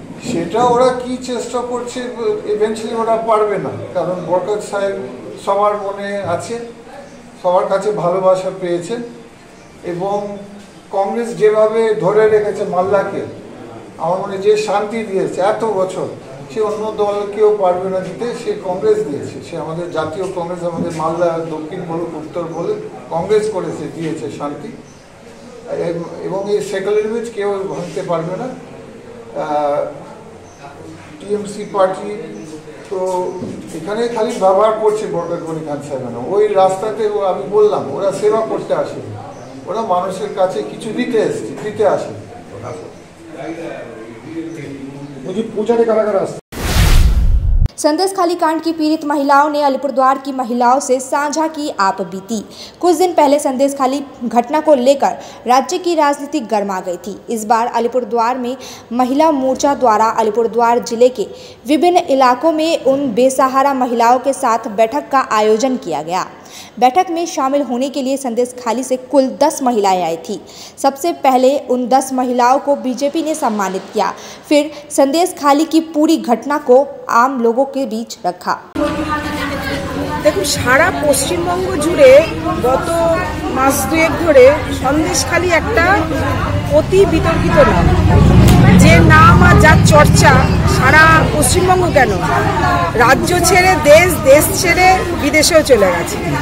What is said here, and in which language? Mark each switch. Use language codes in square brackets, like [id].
[bn] সেটা ওরা কি চেষ্টা করছে ইভেন্সুয়ালি ওরা পারবে না, কারণ বরকত সাহেব সবার মনে আছে, সবার কাছে ভালোবাসা পেয়েছেন, এবং কংগ্রেস যেভাবে ধরে রেখেছে মাল্লাকে, আমার মনে যে শান্তি দিয়েছে এত বছর, সে অন্য দল কেউ পারবে না দিতে, সে কংগ্রেস দিয়েছে, সে আমাদের জাতীয় কংগ্রেস, আমাদের মালদা দক্ষিণ বলুক উত্তর বলুক কংগ্রেস করেছে, দিয়েছে শান্তি, এবং এই সেকেলের বিচ কেউ ভাঙতে পারবে না। টিএমসি পার্টি তো এখানে খালি ব্যবহার করছে বরকতগণি খান সাহেব, না ওই রাস্তাতে আমি বললাম ওরা সেবা করতে আসে, ওরা মানুষের কাছে কিছু দিতে এসছে, দিতে আসে। [hi] संदेश खाली कांड की पीड़ित महिलाओं ने अलीपुरद्वार की महिलाओं से साझा की आप बीती। कुछ दिन पहले संदेश खाली घटना को लेकर राज्य की राजनीति गर्मा गई थी। इस बार अलीपुरद्वार में महिला मोर्चा द्वारा अलीपुरद्वार जिले के विभिन्न इलाकों में उन बेसहारा महिलाओं के साथ बैठक का आयोजन किया गया। बैठक में शामिल होने के लिए संदेश खाली से कुल 10 महिलाएं आई थी। सबसे पहले उन 10 महिलाओं को बीजेपी ने सम्मानित किया, फिर संदेश खाली की पूरी घटना को आम लोगों के बीच रखा। [bn] দেখুন, সারা পশ্চিমবঙ্গ জুড়ে গত মাস দুয়েক ধরে সন্দেশ খালি একটা অতি বিতর্কিত নাম, যে নাম আর যার চর্চা সারা পশ্চিমবঙ্গ কেন, রাজ্য ছেড়ে দেশ, দেশ ছেড়ে বিদেশেও চলে গেছে।